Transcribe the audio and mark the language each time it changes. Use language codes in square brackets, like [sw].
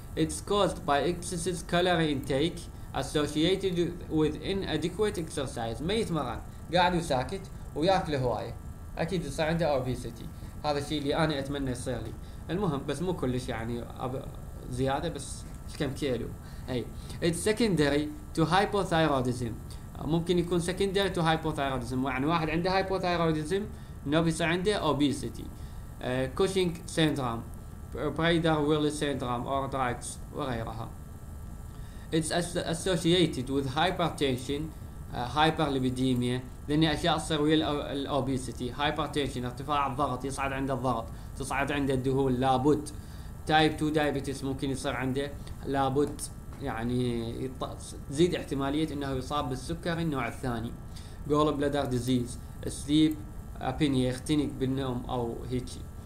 [en] It's caused by excessive calorie intake associated with inadequate exercise. [ar] ما يتمرن، قاعد وساكت وياكل هواية، أكيد يصير عنده obesity. هذا الشيء اللي أنا أتمنى يصير لي. المهم بس مو كلش يعني زيادة، بس كم كيلو. [en] أي it's secondary to hypothyroidism. [ar] ممكن يكون [en] secondary to hypothyroidism، [ar] يعني واحد عنده hypothyroidism نبي يصير عنده obesity. [en] Cushing syndrome، Prader-Willi syndrome or drugs وغيرها. It's associated with hypertension, hyperlipidemia. [ar] لأن أشياء تصير ويا الأوبيسيتي، hypertension ارتفاع الضغط، يصعد عند الضغط، تصعد عند الدهون لابد. [en] Type 2 diabetes [ar] ممكن يصير عنده لابد، يعني تزيد احتمالية أنه يصاب بالسكر النوع الثاني. [en] Gallbladder disease، sleep apnea، [ar] يختنق بالنوم أو هيجي.